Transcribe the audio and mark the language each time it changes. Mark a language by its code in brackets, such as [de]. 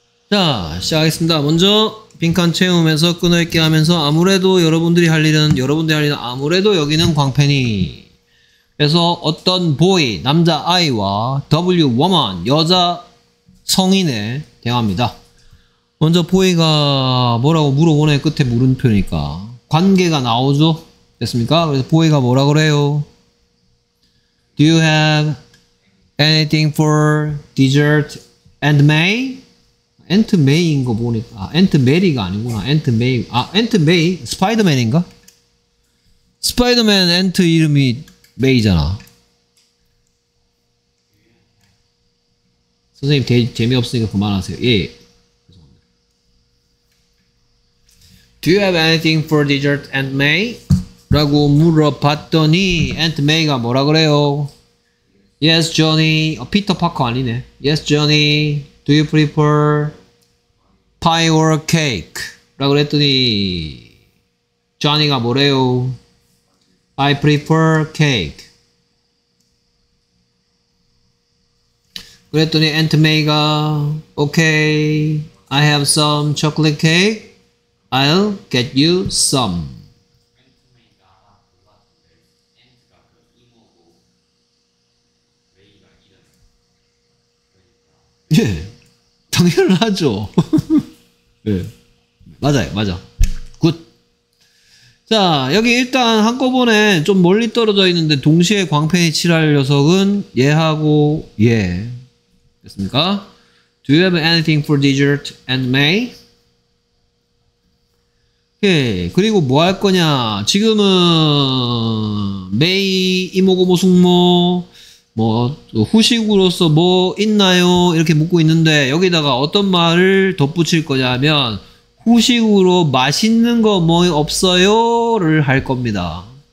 [ko] 자, 시작하겠습니다. 먼저 빈칸 채우면서 끊어있게 하면서 아무래도 여러분들이 할 일은 아무래도 여기는 광팬이 그래서 어떤 보이 남자 아이와 W 워먼 여자 성인에 대화합니다. 먼저 보이가 뭐라고 물어보네. 끝에 물음표니까 관계가 나오죠. 됐습니까? 그래서 보이가 뭐라 그래요? [en] Do you have anything for dessert and May? [ko] 앤트 메이인 거 보니까 아 앤트 메리가 아니구나. 앤트 메이. 아 앤트 메이 스파이더맨인가? 스파이더맨 앤트 이름이 메이잖아. 선생님 재미없으니까 그만하세요. 예. [en] Do you have anything for dessert, Aunt May? [ko] 라고 물어봤더니 Aunt May가 뭐라 그래요? [en] Yes, Johnny. [ko] 어, 피터 파커 아니네. [en] Yes, Johnny. Do you prefer pie or cake? [ko] 라고 했더니 Johnny가 뭐래요? [en] I prefer cake. [ko] 그랬더니 [en] Aunt May가 Okay, I have some chocolate cake. I'll get you some. [ko] 예, 당연하죠. 예, 맞아요, 맞아. Good. 자, 여기 일단 한꺼번에 좀 멀리 떨어져 있는데 동시에 광팬이 칠할 녀석은 얘하고 얘. 됐습니까? [en] Do you have anything for dessert and May? [ko] 오케이. 그리고 뭐 할 거냐? 지금은 May 이모고 뭐 숙모 뭐 후식으로서 뭐 있나요? 이렇게 묻고 있는데 여기다가 어떤 말을 덧붙일 거냐면 후식으로 맛있는 거 뭐 없어요?를 할 겁니다.